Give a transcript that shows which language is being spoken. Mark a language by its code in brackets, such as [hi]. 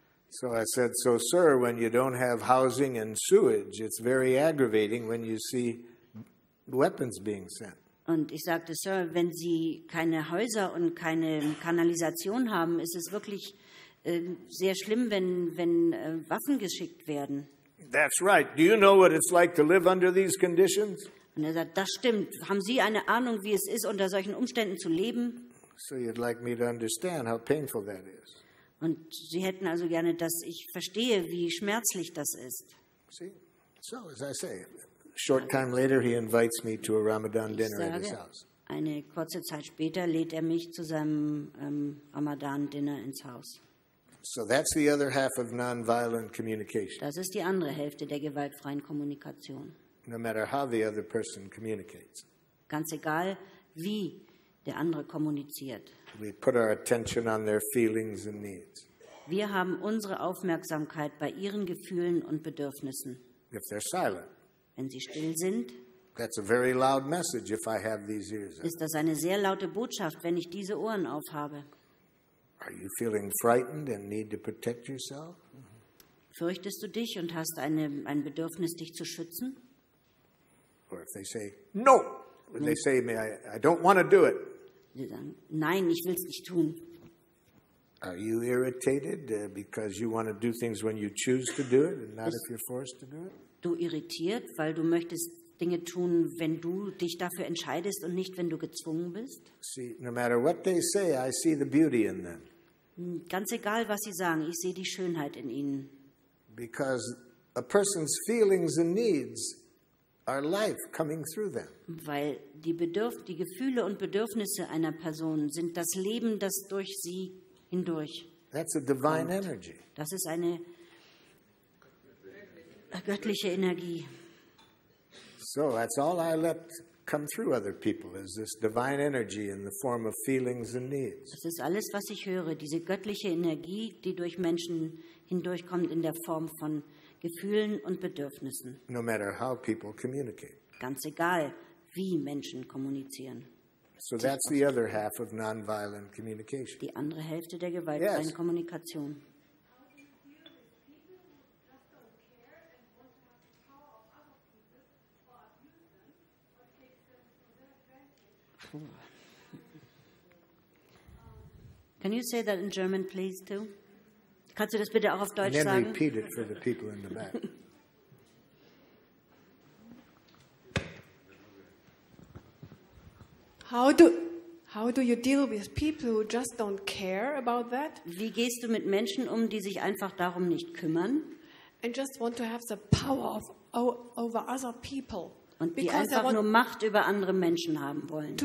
[en] So I said, so sir, when you don't have housing and sewage, it's very aggravating when you see weapons being sent. [de] Und ich sagte, Sir, wenn Sie keine Häuser und keine Kanalisation haben, ist es wirklich sehr schlimm, wenn Waffen geschickt werden. [en] That's right. Do you know what it's like to live under these conditions? [de] Und er sagt, das stimmt. Haben Sie eine Ahnung, wie es ist, unter solchen Umständen zu leben? [en] So you'd like me to understand how painful that is. [de] Und Sie hätten also gerne, dass ich verstehe, wie schmerzlich das ist. [en] See? So, as I say. Short time later, he invites me to a Ramadan dinner at his house. [de] Eine kurze Zeit später lädt er mich zu seinem Ramadan dinner ins Haus. [en] So that's the other half of non-violent communication. [de] Das ist die andere Hälfte der gewaltfreien Kommunikation. [en] no matter how the other person communicates. [de] Ganz egal, wie der andere kommuniziert. [en] We put our attention on their feelings and needs. [de] Wir haben unsere Aufmerksamkeit bei ihren Gefühlen und Bedürfnissen. [en] If they're silent. [de] Wenn sie still sind. [en] That's a very loud message if I have these ears. [de] Ist das eine sehr laute Botschaft, wenn ich diese Ohren auf habe? [en] Are you feeling frightened and need to protect yourself? [de] Fürchtest du dich und hast ein Bedürfnis, dich zu schützen? [en] Or if they say no, when they say me, I don't want to do it. [de] Sie sagen, nein, ich will es nicht tun. [en] Are you irritated because you want to do things when you choose to do it and not if you're forced to do it? [de] Du irritiert, weil du möchtest Dinge tun, wenn du dich dafür entscheidest und nicht, wenn du gezwungen bist? [en] See, no matter what they say, I see the beauty in them. [de] Ganz egal, was sie sagen, ich sehe die Schönheit in ihnen. [en] Because a person's feelings and needs are life coming through them. [de] Weil die Gefühle und Bedürfnisse einer Person sind das Leben, das durch sie hindurch. [en] That's a divine energy. [de] Das ist eine göttliche Energie. [en] So that's all I let come through other people is this divine energy in the form of feelings and needs. [de] Das ist alles, was ich höre, diese göttliche Energie, die durch Menschen hindurchkommt in der Form von Gefühlen und Bedürfnissen. [en] No matter how people communicate. [de] Ganz egal, wie Menschen kommunizieren. [en] So that's the other half of nonviolent communication. [de] Die andere Hälfte der gewaltfreien Kommunikation. [en] Can you say that in German, please, too? [de] Kannst du das bitte auch auf Deutsch sagen? [en] And then repeat it for the people in the back. How do you deal with people who just don't care about that? [de] Wie gehst du mit Menschen um, die sich einfach darum nicht kümmern? [en] And just want to have the power of over other people. [de] Und die einfach nur Macht über andere Menschen haben wollen.